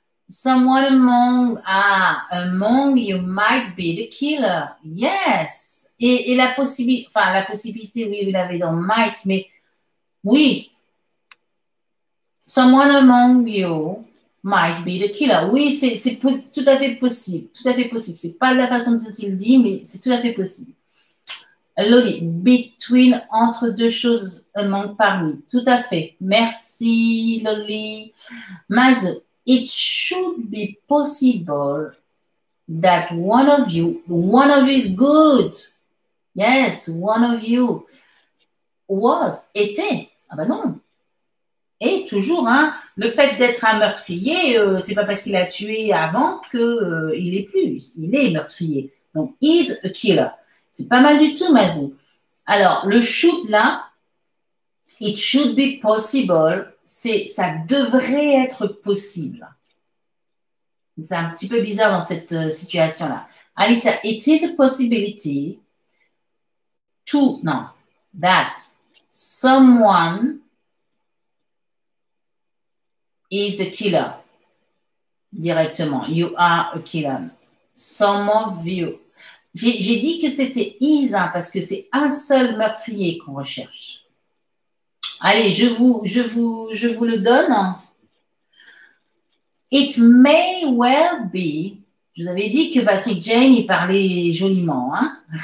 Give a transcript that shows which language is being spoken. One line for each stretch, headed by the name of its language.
English: Someone among, among you might be the killer. Yes.
French: Et la possibilité, enfin, la possibilité, oui, vous l'avez dans might, mais oui.
English: Someone among you might be the killer.
French: Oui, c'est tout à fait possible. Tout à fait possible. C'est pas la façon dont il dit, mais c'est tout à fait possible. Lolly, between, entre deux choses, among, parmi. Tout à fait. Merci, Lolly.
English: Mazu, it should be possible that one of you is good. Yes, one of you was,
French: était. Ah ben non. Et toujours, hein, le fait d'être un meurtrier, c'est pas parce qu'il a tué avant qu'il est plus. Il est meurtrier. Donc,
English: is a killer.
French: C'est pas mal du tout, Mazou. Alors, le shoot là,
English: it should be possible,
French: c'est ça devrait être possible. C'est un petit peu bizarre dans cette situation-là.
English: Alissa, it is a possibility to, non, that someone is the killer directement. You are a killer. Some of you.
French: J'ai dit que c'était is, hein, parce que c'est un seul meurtrier qu'on recherche. Allez, je vous le donne.
English: It may well be.
French: Je vous avais dit que Patrick Jane, il parlait joliment, hein.